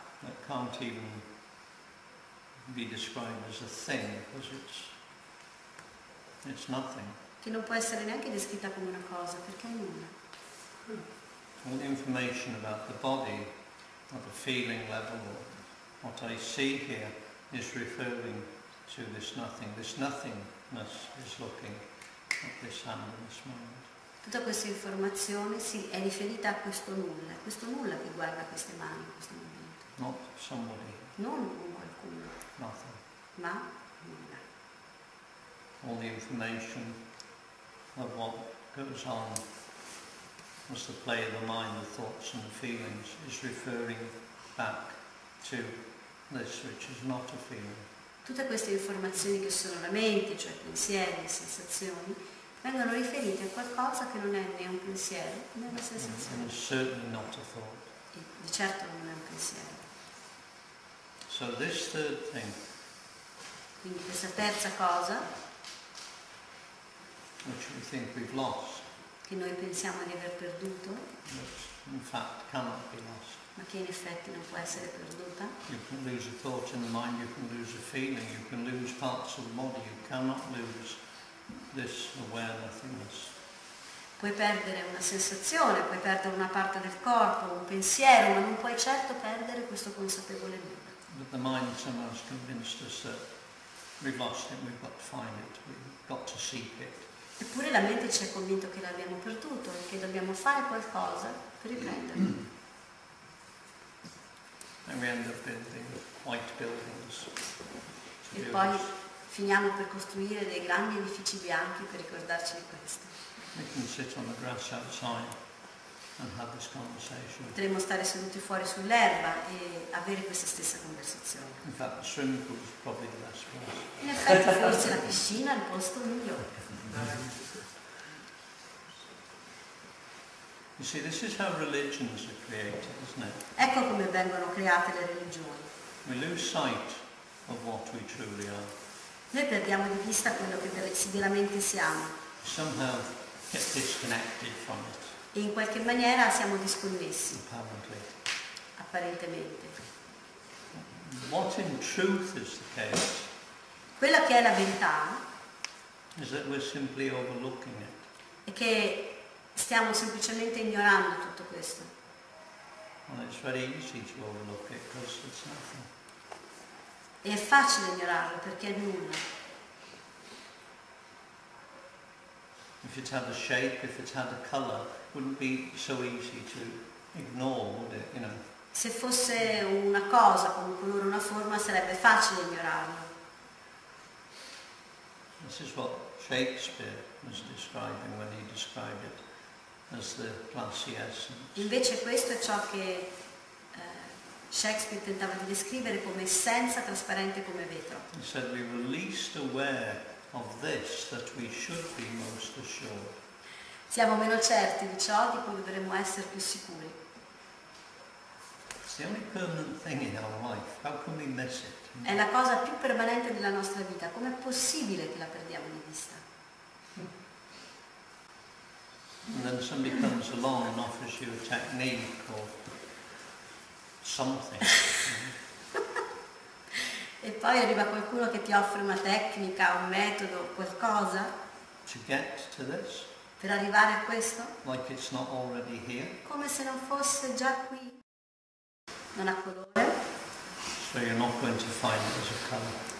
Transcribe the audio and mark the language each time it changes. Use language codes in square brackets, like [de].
[en] that can't even be described as a thing, because it's nothing. [it] Che non può essere neanche descritta come una cosa, perché è nulla. [en] All the information about the body, or the feeling level, or what I see here, is referring to this nothing. This nothingness is looking at this hand in this moment. [it] Tutta questa informazione sì, è riferita a questo nulla che guarda queste mani in questo momento. [en] Not somebody. [it] Non un qualcuno. [en] Nothing. [it] Ma nulla. [en] All the information of what goes on as the play of the mind, the thoughts and the feelings is referring back to this which is not a feeling. [it] Tutte queste informazioni che sono la mente, cioè pensieri, sensazioni, vengono riferiti a qualcosa che non è né un pensiero né una sensazione. [en] And certainly not a thought. [it] Di certo non è un pensiero. [en] So this third thing. [it] Quindi questa terza cosa. [en] Which we think we've lost. [it] Che noi pensiamo di aver perduto. [en] That in fact cannot be lost. [it] Ma che in effetti non può essere perduta. [en] You can lose a thought in the mind, you can lose a feeling, you can lose parts of the body, you cannot lose this awareness. [it] Puoi perdere una sensazione, puoi perdere una parte del corpo, un pensiero, ma non puoi certo perdere questo consapevole mondo. [en] But the mind somehow has convinced us that we've lost it, we've got to find it, we've got to seek it. [it] Eppure la mente ci ha convinto che l'abbiamo perduto e che dobbiamo fare qualcosa per riprenderlo. [en] And we end up building white buildings. [it] E poi finiamo per costruire dei grandi edifici bianchi per ricordarci di questo. [en] We can sit on the grass outside and have this conversation. [it] Potremmo stare seduti fuori sull'erba e avere questa stessa conversazione. [en] In fact, the swimming pool is probably the best place. [it] In effetti forse la piscina è il posto migliore. [en] You see, this is how religions are created, isn't it? [it] Ecco come vengono create le religioni. [en] We lose sight of what we truly are. [it] Noi perdiamo di vista quello che veramente siamo. [en] Somehow get disconnected from it. [it] E in qualche maniera siamo disconnessi. [en] Apparently. [it] Apparentemente. [en] What in truth is the case? [it] Quella che è la verità [en] is that we're simply overlooking it. [it] È che stiamo semplicemente ignorando tutto questo. [en] Well, it's very easy to overlook it because it's nothing. [it] E è facile ignorarlo perché è nulla. [en] If it had a shape, if it had a colour, wouldn't be so easy to ignore, would it, you know? [it] Se fosse una cosa, con un colore, una forma, sarebbe facile ignorarlo. [en] This is what Shakespeare was describing when he described it as the glassy essence. [it] Invece questo è ciò che Shakespeare tentava di descrivere come essenza trasparente come vetro. [en] He said we were least aware of this that we should be most assured. [it] Siamo meno certi di ciò di cui dovremmo essere più sicuri. [en] It's the only permanent thing in our life. How can we miss it? [it] È la cosa più permanente della nostra vita. Com'è possibile che la perdiamo di vista? [en] And then somebody comes along and offers you a technique or something. [it] E poi arriva qualcuno che ti offre una tecnica, un metodo, qualcosa [en] to get to this, [it] per arrivare a questo, [en] like it's not already here, [it] come se non fosse già qui, non ha colore, [en] so you're not going to find it as a color.